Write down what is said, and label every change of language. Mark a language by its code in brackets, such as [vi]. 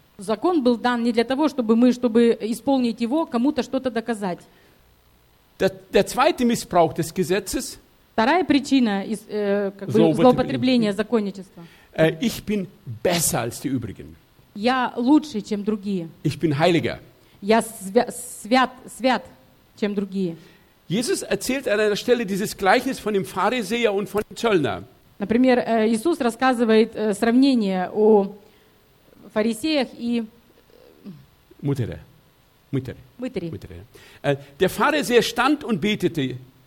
[ru] Закон был дан не для того, чтобы исполнить его, кому-то что-то доказать. [de] Der zweite Missbrauch des Gesetzes. [ru] Вторая причина злоупотребления законничества. [de] Ich bin besser als die übrigen. [ru] Я лучше, чем другие. [de] Ich bin heiliger. [ru] Я свят, чем другие. [de] Jesus erzählt an einer Stelle dieses Gleichnis von dem Pharisäer und von dem Zöllner. [ru] Например, Иисус рассказывает сравнение о Фарисеях и Мытере. [de] Der Pharisäer stand und betete.